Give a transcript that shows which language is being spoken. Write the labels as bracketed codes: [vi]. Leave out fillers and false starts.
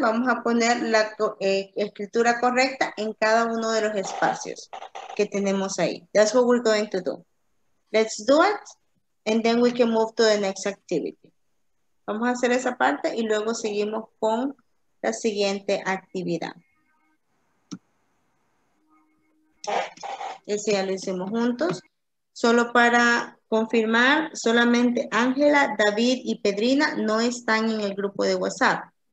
[es] Vamos a poner la escritura correcta en cada uno de los espacios que tenemos ahí. [en] That's what we're going to do. Let's do it, and then we can move to the next activity. [es] Vamos a hacer esa parte y luego seguimos con la siguiente actividad. Ese ya lo hicimos juntos. Solo para confirmar, solamente Ángela, David y Pedrina no están en el grupo de WhatsApp.